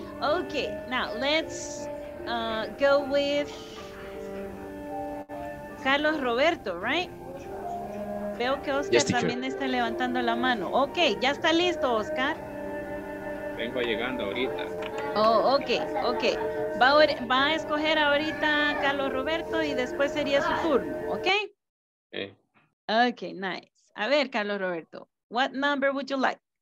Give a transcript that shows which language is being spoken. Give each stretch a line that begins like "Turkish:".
English: Okay, now let's go with Carlos Roberto, right?
Spanish: Veo que Oscar también está levantando la mano. Ok, ya está listo, Oscar. Vengo llegando ahorita. Oh, ok. Va a escoger ahorita a Carlos Roberto y después sería su turno, ¿ok?
English: Okay, nice. A ver, Carlos Roberto, what number would you like?